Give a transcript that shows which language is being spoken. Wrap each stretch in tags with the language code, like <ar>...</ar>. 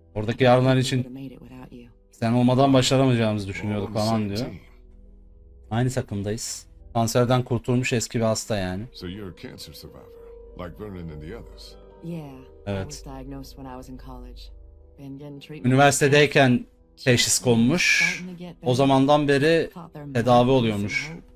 <tr>Oradaki yardımlar için sen olmadan başaramayacağımızı düşünüyorduk falan diyor. Aynı takımdayız. Kanserden kurtulmuş eski bir hasta yani.</tr> <en>So you're a cancer survivor, like Vernon and the others. Yeah. Evet. I was diagnosed when I was in college. Been getting treatment.</en> <tr>Üniversitedeyken teşhis konmuş. O zamandan beri tedavi oluyormuş.</tr>